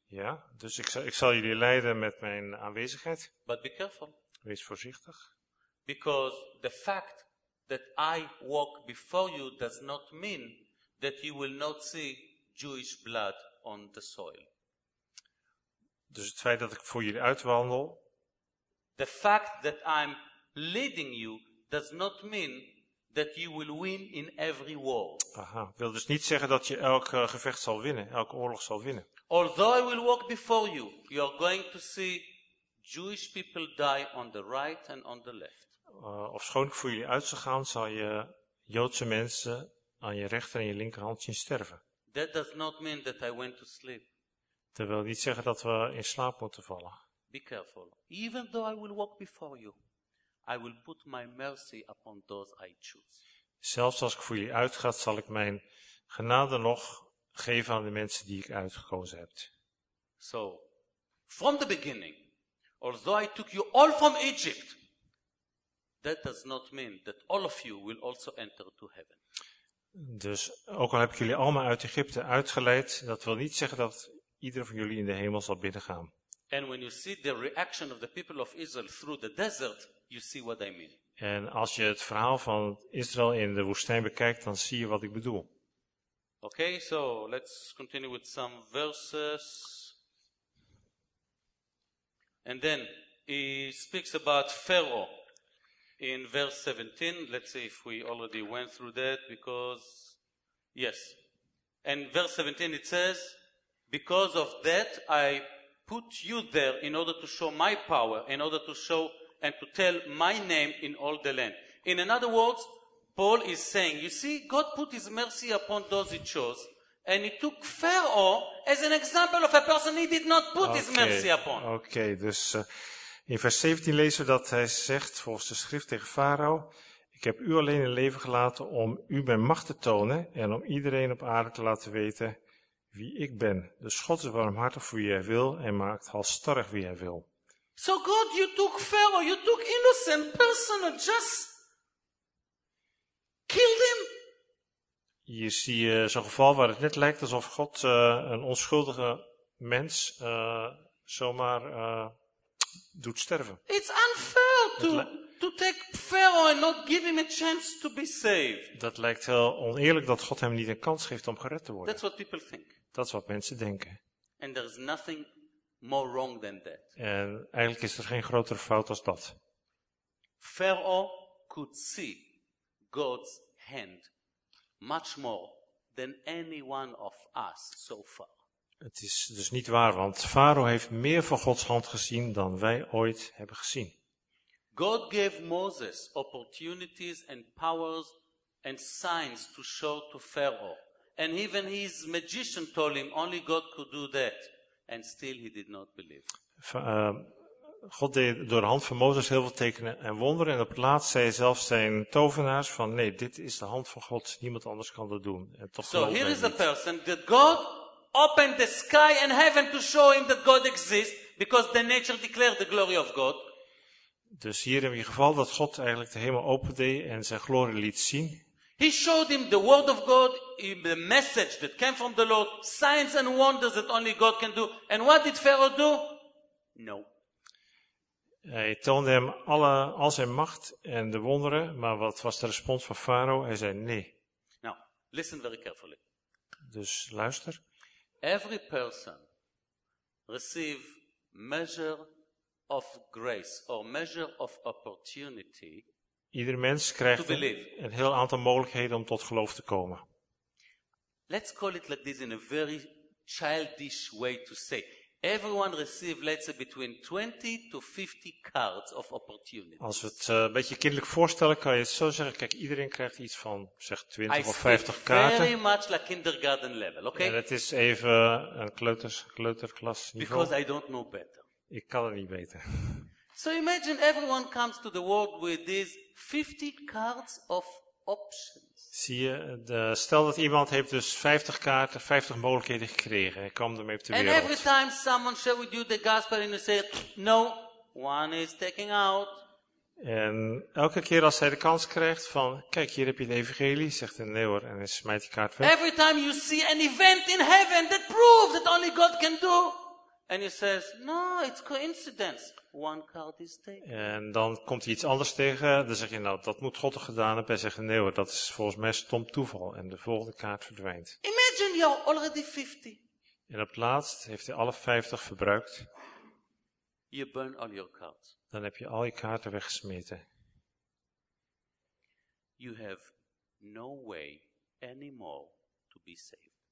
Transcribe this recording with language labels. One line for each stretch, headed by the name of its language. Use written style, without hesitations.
Dutch: Ja, dus ik zal jullie leiden met mijn aanwezigheid.
English: But be careful.
Dutch: Wees voorzichtig.
English: Because the fact that I walk before you does not mean that you will not see Jewish blood on the soil.
Dutch: Dus het feit dat ik voor jullie uitwandel.
English: The fact that I'm leading you does not mean that you will win in every war.
Dutch: Aha, wil dus niet zeggen dat je elk gevecht zal winnen, elke oorlog zal winnen.
English: Although I will walk before you, you are going to see Jewish people die on the right and on the left.
Dutch: Ofschoon ik voor jullie uit zou gaan, zal je Joodse mensen aan je rechter en je linkerhand zien sterven.
English: That does not mean that I went to sleep.
Dutch: Dat wil niet zeggen dat we in slaap moeten vallen.
English: Be careful. Even though I will walk before you, I will put my mercy upon those I choose.
Dutch: Zelfs als ik voor jullie uitga, zal ik mijn genade nog geven aan de mensen die ik uitgekozen heb.
English: So, from the beginning, although I took you all from Egypt, that does not mean that all of you will also enter to heaven.
Dutch: Dus ook al heb ik jullie allemaal uit Egypte uitgeleid, dat wil niet zeggen dat ieder van jullie in de hemel zal binnengaan.
English: And when you see the reaction of the people of Israel through the desert, you see what I mean.
Dutch: En als je het verhaal van Israël in de woestijn bekijkt, dan zie je wat ik bedoel.
English: Okay, so let's continue with some verses. And then he speaks about Pharaoh in verse 17. Let's see if we already went through that, because yes. And verse 17 it says, because of that I put you there in order to show my power, in order to show and to tell my name in all the land. In other words, Paul is saying, you see, God put his mercy upon those he chose, and he took Pharaoh as an example of a person he did not put his mercy upon.
Dutch: Okay, dus in vers 17 lezen we dat hij zegt, volgens de schrift tegen Farao, ik heb u alleen in leven gelaten om u mijn macht te tonen en om iedereen op aarde te laten weten wie ik ben. Dus God is warmhartig voor wie hij wil en maakt halsstarrig wie hij wil.
English: So God, you took Pharaoh, you took innocent person and just killed him.
Dutch: Hier zie je zo'n geval waar het net lijkt alsof God een onschuldige mens zomaar doet sterven.
English: It's unfair to take Pharaoh and not give him a chance to be saved.
Dutch: Dat lijkt heel oneerlijk dat God hem niet een kans geeft om gered te worden.
English: That's what people think.
Dutch: Dat is wat mensen denken.
English: And there is nothing more wrong than that.
Dutch: En eigenlijk is er geen grotere fout als dat.
English: Pharaoh could see God's hand much more than any one of us so far.
Dutch: Het is dus niet waar, want Farao heeft meer van Gods hand gezien dan wij ooit hebben gezien.
English: God gave Moses opportunities and powers and signs to show to Pharaoh. And even his magician told him only God could do that, and still he did not believe.
Dutch: God deed door de hand van Mozes heel veel tekenen en wonderen. En op het laatst zei zelfs zijn tovenaars van nee, dit is de hand van God. Niemand anders kan dat doen. En toch
English: so here is a person that God opened the sky and heaven to show him that God exists, because the nature declared the glory of God.
Dutch: Dus hier in ieder geval dat God eigenlijk de hemel opende en zijn glorie liet zien.
English: He showed him the word of God, the message that came from the Lord, signs and wonders that only God can do. And what did Pharaoh do? No.
Dutch: Hij toonde hem al zijn macht en de wonderen, maar wat was de respons van Farao? Hij zei nee.
English: Now, listen very carefully.
Dutch: Dus luister.
English: Every person receive measure of grace or measure of opportunity.
Dutch: Ieder mens krijgt een heel aantal mogelijkheden om tot geloof te komen.
English: Let's call it like this in a very childish way to say. Everyone receives, let's say, between 20 to 50 cards of opportunity.
Dutch: Als we het een beetje kinderlijk voorstellen, kan je het zo zeggen. Kijk, iedereen krijgt iets van, zeg, 20 of 50 kaarten.
English: Very much like kindergarten level, okay?
Dutch: En het is even een kleuterklas niveau.
English: Because I don't know better.
Dutch: Ik kan het niet beter.
English: So imagine everyone comes to the world with these 50 cards of options.
Dutch: Zie je, stel dat iemand heeft dus 50 kaarten, 50 mogelijkheden gekregen. Hij kwam ermee op de wereld.
English: And every time someone shares with you the gospel and you say, no, one is taking out.
Dutch: En elke keer als hij de kans krijgt van, kijk, hier heb je de evangelie, zegt een leeuwer en hij smijt die kaart weg.
English: Every time you see an event in heaven that proves that only God can do, and he says, no, it's coincidence. One card is taken.
Dutch: En dan komt hij iets anders tegen, dan zeg je, nou, dat moet God toch gedaan hebben. Hij zegt, nee hoor, dat is volgens mij stom toeval. En de volgende kaart verdwijnt.
English: Imagine you're already 50.
Dutch: En op het laatst heeft hij alle 50 verbruikt.
English: You burn all your cards.
Dutch: Dan heb je al je kaarten weggesmeten.
English: You have no way anymore to be saved.